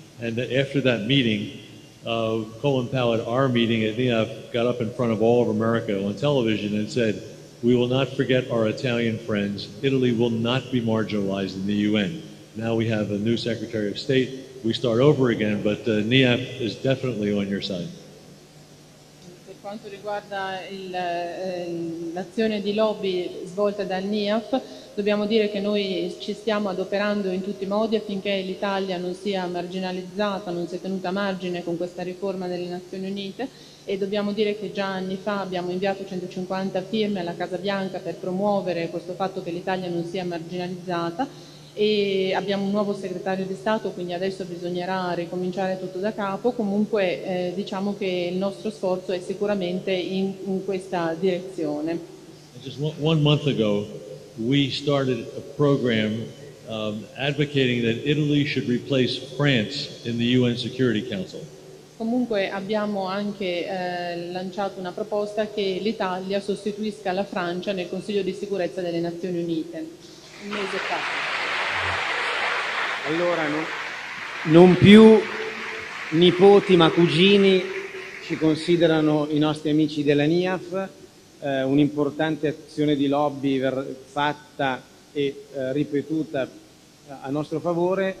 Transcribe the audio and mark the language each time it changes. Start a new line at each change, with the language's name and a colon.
English: And after that meeting, Colin Powell at our meeting at NIAF got up in front of all of America on television and said, "We will not forget our Italian friends. Italy will not be marginalized in the UN." Now we have a new Secretary of State. We start over again, but NIAF is definitely on your side.
Italian: Per quanto riguarda l'azione di lobby svolta dal NIAF, dobbiamo dire che noi ci stiamo adoperando in tutti i modi affinché l'Italia non sia marginalizzata, non sia tenuta a margine con questa riforma delle Nazioni Unite. E dobbiamo dire che già anni fa abbiamo inviato 150 firme alla Casa Bianca per promuovere questo fatto che l'Italia non sia marginalizzata, e abbiamo un nuovo segretario di Stato, quindi adesso bisognerà ricominciare tutto da capo. Comunque diciamo che il nostro sforzo è sicuramente in questa direzione. Just one month ago we started a program advocating that Italy should replace France in the UN Security Council. Comunque abbiamo anche lanciato una proposta che l'Italia sostituisca la Francia nel Consiglio di Sicurezza delle Nazioni Unite. Un mese fa. Allora, non più nipoti ma cugini ci considerano i nostri amici della NIAF, un'importante azione di lobby fatta e ripetuta a nostro favore.